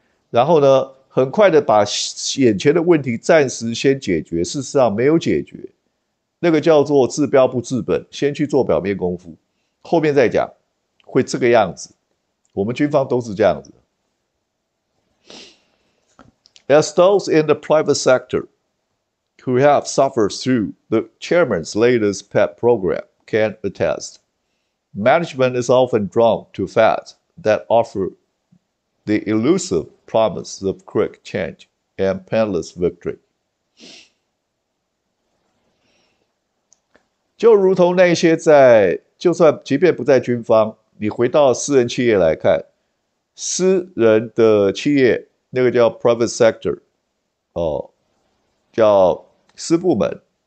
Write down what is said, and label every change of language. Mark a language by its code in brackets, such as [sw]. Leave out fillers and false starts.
[zh] 然后呢，很快的把眼前的问题暂时先解决，事实上没有解决，那个叫做治标不治本，先去做表面功夫，后面再讲。会这个样子，我们军方都是这样子。 [en] As those in the private sector who have suffered through the chairman's latest pet program can attest, management is often drawn to fads that offer the elusive promise of quick change and painless victory. [zh] 就如同那些在，就算即便不在军方。你回到私人企业来看，私人的企业那个叫 private sector， 哦，叫私部门。